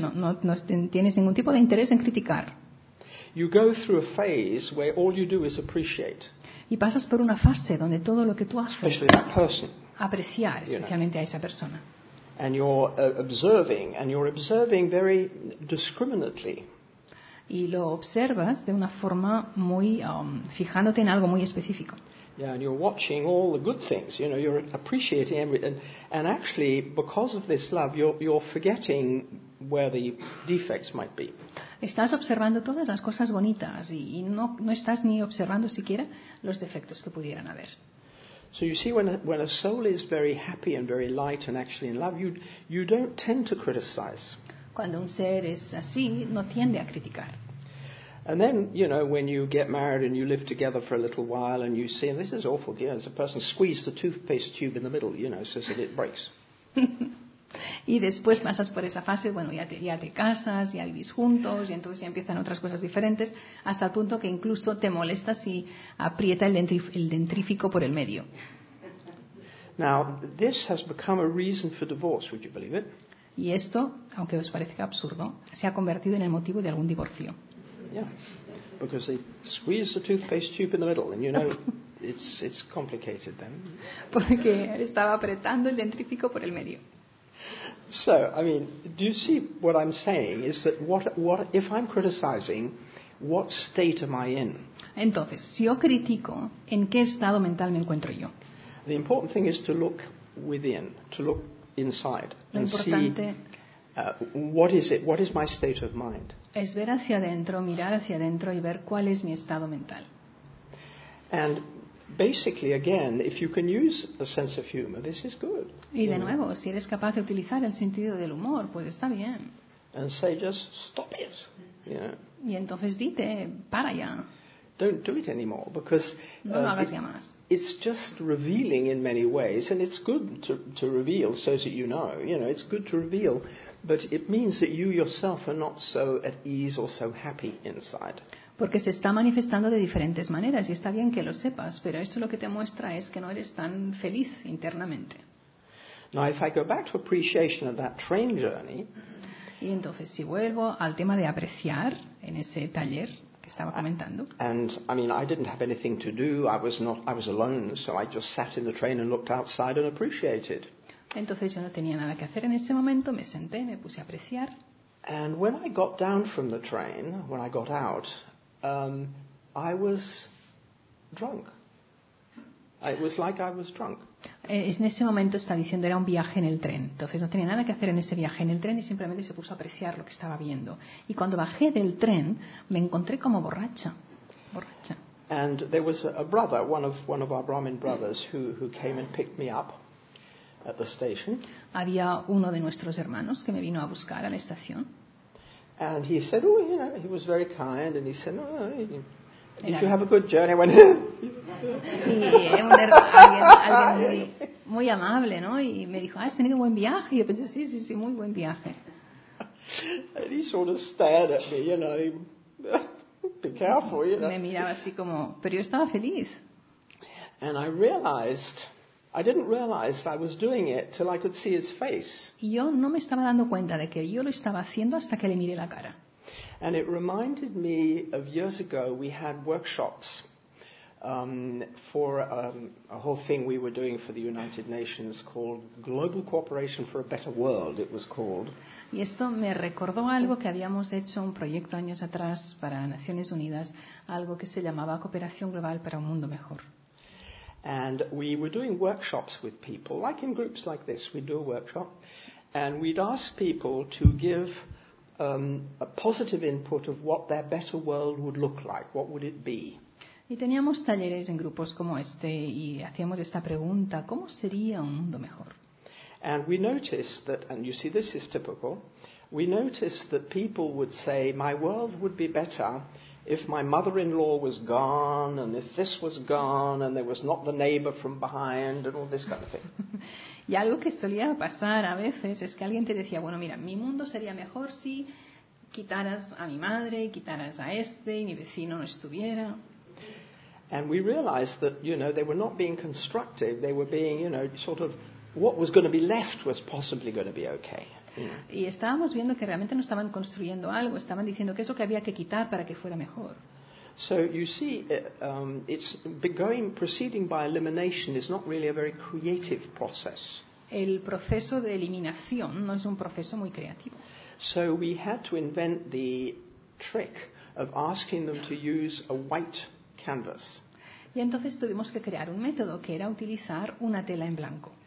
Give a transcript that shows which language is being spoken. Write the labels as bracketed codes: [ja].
[es] No tienes ningún tipo de interés en criticar. [en] You go through a phase where all you do is appreciate. [es] Y pasas por una fase donde todo lo que tú haces es apreciar, especialmente a esa persona. [en] And you're observing, and you're observing very discriminately. [es] Y lo observas de una forma muy fijándote en algo muy específico. [en] Yeah, and you're watching all the good things. You know, you're appreciating everything. And actually, because of this love, you're forgetting where the defects might be. [es] Estás observando todas las cosas bonitas y no estás ni observando siquiera los defectos que pudieran haber. [en] So you see, when a soul is very happy and very light and actually in love, you don't tend to criticize. [es] Cuando un ser es así, no tiende a criticar. [en] And then, you know, when you get married and you live together for a little while and you see, and this is awful, yeah, there's a person squeezed the toothpaste tube in the middle, you know, so that it breaks. [es] Y después pasas por esa fase, bueno, ya te casas, ya vivís juntos, y entonces ya empiezan otras cosas diferentes, hasta el punto que incluso te molesta si aprieta el dentrífico por el medio. [en] Now, this has become a reason for divorce, would you believe it? [es] Y esto, aunque os parezca absurdo, se ha convertido en el motivo de algún divorcio. [en] Yeah, because they squeeze the toothpaste tube in the middle, and you know, it's complicated then. [es] Porque estaba apretando el dentrífico por el medio. [en] So, I mean, do you see what I'm saying? Is that what if I'm criticizing, what state am I in? [es] Entonces, si yo critico, ¿en qué estado mental me encuentro yo? [en] The important thing is to look within, to look inside, and see what is my state of mind. [es] Es ver hacia adentro, mirar hacia adentro y ver cuál es mi estado mental. [en] And basically, again, if you can use a sense of humor, this is good. [es] Y de nuevo, si eres capaz de utilizar el sentido del humor, pues está bien. [en] And say just stop it. Yeah. [es] Y entonces dite, para ya. [en] Don't do it anymore, because [es] no lo hagas ya más. [en] It's just revealing in many ways, and it's good to reveal so that you know. You know, it's good to reveal, but it means that you yourself are not so at ease or so happy inside. [es] Porque se está manifestando de diferentes maneras y está bien que lo sepas, pero eso lo que te muestra es que no eres tan feliz internamente. [en] Now, if I go back to appreciation of that train journey, [es] y entonces si vuelvo al tema de apreciar en ese taller que estaba comentando. [en] And I mean, I didn't have anything to do. I was alone, so I just sat in the train and looked outside and appreciated. [es] Entonces yo no tenía nada que hacer en ese momento, me senté, me puse a apreciar. [en] And when I got down from the train, when I got out, I was drunk. It was like I was drunk. [es] En ese momento está diciendo era un viaje en el tren. Entonces no tenía nada que hacer en ese viaje en el tren y simplemente se puso a apreciar lo que estaba viendo. Y cuando bajé del tren me encontré como borracha. Borracha. [en] And there was a brother, one of our Brahmin brothers, who came and picked me up at the station. [es] Había uno de nuestros hermanos que me vino a buscar a la estación. [en] And he said, oh, yeah, he was very kind, and he said, no. If you have a good journey, I went. [es] Y alguien muy amable, ¿no? Y me dijo, has tenido un buen viaje. Y yo pensé, sí, muy buen viaje. [en] And he sort of stared at me, you know. Be careful, you know. [es] Me miraba así como, pero yo estaba feliz. [en] And I realized, I didn't realize I was doing it till I could see his face. [es] Y yo no me estaba dando cuenta de que yo lo estaba haciendo hasta que le miré la cara. [en] And it reminded me of years ago we had workshops for a whole thing we were doing for the United Nations called Global Cooperation for a Better World, it was called. [es] Y esto me recordó algo que habíamos hecho un proyecto años atrás para Naciones Unidas, algo que se llamaba Cooperación Global para un Mundo Mejor. [en] And we were doing workshops with people, like in groups like this, we'd do a workshop, and we'd ask people to give a positive input of what their better world would look like, what would it be. [es] Y teníamos talleres en grupos como este y hacíamos esta pregunta, ¿cómo sería un mundo mejor? [en] And we noticed that, and you see this is typical, we noticed that people would say, my world would be better if my mother-in-law was gone, and if this was gone, and there was not the neighbor from behind, and all this kind of thing. [es] Y algo que solía pasar a veces es que alguien te decía, bueno, mira, mi mundo sería mejor si quitaras a mi madre, quitaras a este, y mi vecino no estuviera. [en] And we realized that, you know, they were not being constructive. They were being, you know, sort of, what was going to be left was possibly going to be okay. [es] Y estábamos viendo que realmente no estaban construyendo algo, estaban diciendo que eso que había que quitar para que fuera mejor. [en] So you see, it's going proceeding by elimination is not really a very creative process. [es] El proceso de eliminación no es un proceso muy creativo. [en] So we had to invent the trick of asking them to use a white canvas. [es] Y entonces tuvimos que crear un método que era utilizar una tela en blanco.